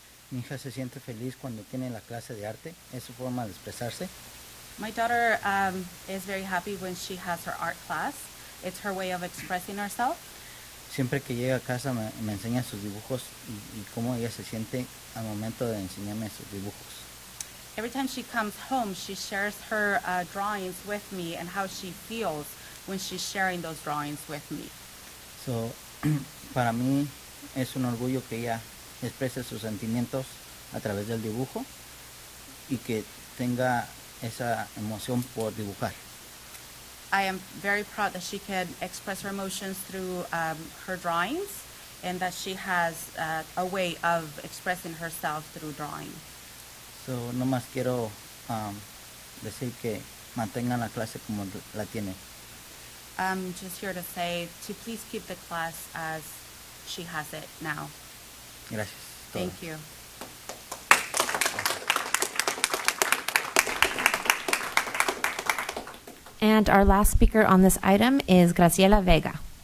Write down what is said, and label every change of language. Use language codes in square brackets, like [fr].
[es] Mi hija se siente feliz cuando tiene la clase de arte. Es su forma de expresarse. [en] My daughter is very happy when she has her art class. It's her way of expressing herself. [es] Siempre que llega a casa me enseña sus dibujos y cómo ella se siente al momento de enseñarme sus dibujos. [en] Every time she comes home, she shares her drawings with me and how she feels when she's sharing those drawings with me. So, [es] para mí es un orgullo que ella exprese sus sentimientos a través del dibujo y que tenga esa emoción por dibujar. [en] I am very proud that she can express her emotions through her drawings and that she has a way of expressing herself through drawing. So, [es] no más quiero decir que mantengan la clase como la tiene. [en] I'm just here to say to please keep the class as she has it now. [es] Gracias. [en] Thank you. And our last speaker on this item is Graciela Vega.